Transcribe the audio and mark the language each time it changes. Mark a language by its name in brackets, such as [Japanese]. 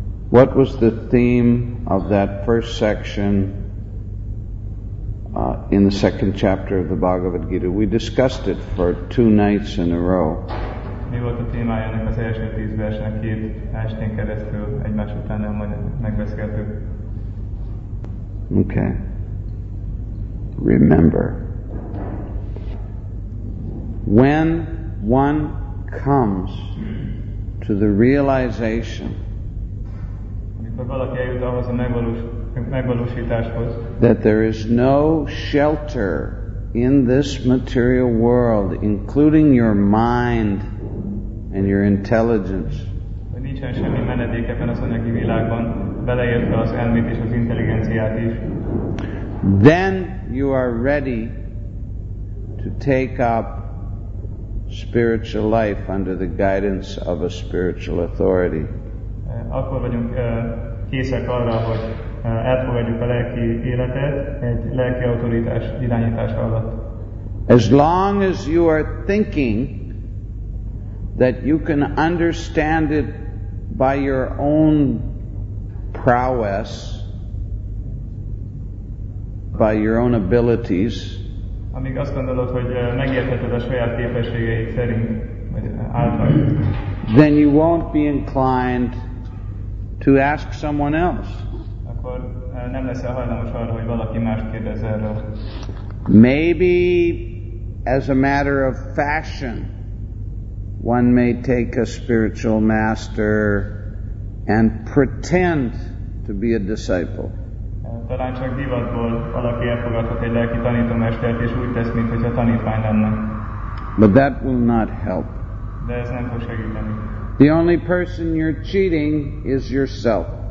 [English] What was the theme of that first section in the second chapter of the Bhagavad Gita? We discussed it for two nights in a row. [Hungarian] Mi volt a témája ennek az első tíz versenek két estén keresztül egymás után megbeszéltük. [English] Okay. Remember. When one comes to the realization that there is no shelter in this material world, including your mind and your intelligence, then you are ready to take up spiritual life under the guidance of a spiritual authority. [Hungarian] Akkor vagyunk készek arra, hogy elfogadjuk a lelki életet egy lelki autoritás irányítása alatt. [English] As long as you are thinking that you can understand it by your own prowess, by your own abilities, [Hungarian] amíg azt gondolod, hogy megértheted a saját képességeid szerint, vagy által, [English] then you won't be inclined to ask someone else. [Hungarian] Akkor nem leszel hajlamos arra, hogy valaki más kérdez erről. [English] Maybe as a matter of fashion, one may take a spiritual master and pretend to be a disciple. [Hungarian] Talán csak divatból valaki elfogadhat egy lelki tanítómestert, és úgy tesz, mint hogyha tanítvány lenne. [English] But that will not help. [Hungarian] De ez nem fog segíteni. [English] The only person you're cheating is yourself.